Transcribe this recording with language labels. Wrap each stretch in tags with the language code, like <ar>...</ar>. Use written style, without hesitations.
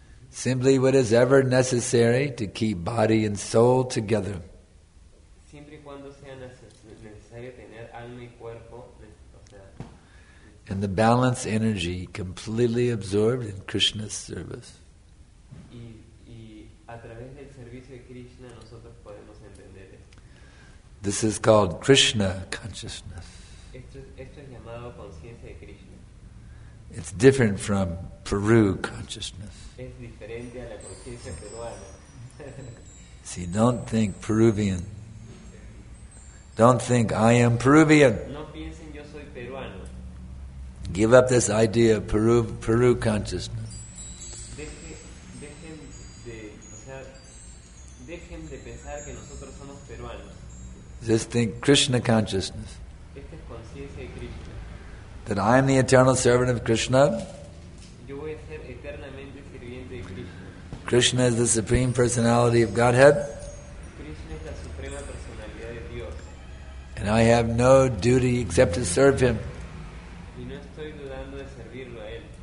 <en>Simply what is ever necessary to keep body and soul together.</en> <es>Siempre y cuando sea necesario tener alma y cuerpo, o sea,</es> <en>and the balanced energy completely absorbed in Krishna's service.</en> <es>Y a través del servicio de Krishna nosotros podemos entender esto.</es> <en>This is called Krishna consciousness.</en> <es>Esto es llamado conciencia de Krishna.</es> <en>It's different from Peru consciousness.</en> <es>Es diferente a la conciencia peruana.</es> <en>See, don't think Peruvian. Don't think I am Peruvian.</en> <es>No piensen yo soy peruano.</es> <en>Give up this idea of Peru consciousness.</en> <es>Dejen de pensar que nosotros somos peruanos.</es> <en>Just think Krishna consciousness.</en> <es>Esta es conciencia de Krishna.</es> <en>that I am the eternal servant of Krishna.</en> <es>Yo voy a ser eternamente sirviente de Krishna.</es> <en>Krishna is the Supreme Personality of Godhead.</en> <es>Krishna es la suprema personalidad de Dios.</es> <en>And I have no duty except to serve Him.</en> <es>Y no estoy dudando de servirlo a Él.</es>